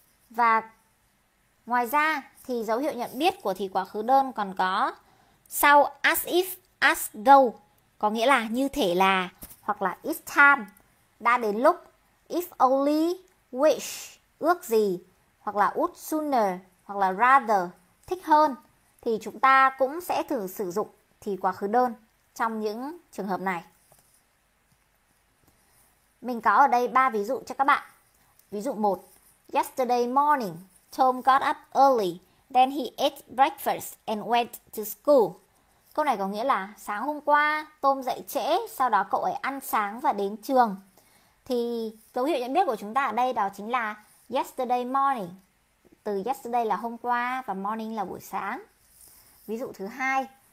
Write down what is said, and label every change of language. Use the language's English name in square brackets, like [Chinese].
[Vietnamese] Và ngoài ra thì dấu hiệu nhận biết của thì quá khứ đơn còn có sau [English] as if, as though, [Vietnamese] có nghĩa là như thể là, hoặc là [English] it's time, [Vietnamese] đã đến lúc, [English] if only, [Vietnamese] wish, ước gì, hoặc là [English] would sooner, [Vietnamese] hoặc là rather, thích hơn, thì chúng ta cũng sẽ thử sử dụng thì quá khứ đơn trong những trường hợp này. Mình có ở đây 3 ví dụ cho các bạn. Ví dụ 1. [English] Yesterday morning, Tom got up early. Then he ate breakfast and went to school. [Vietnamese] Câu này có nghĩa là sáng hôm qua Tom dậy trễ, sau đó cậu ấy ăn sáng và đến trường. Thì dấu hiệu nhận biết của chúng ta ở đây đó chính là yesterday morning. Từ yesterday là hôm qua và morning là buổi sáng. Ví dụ thứ hai.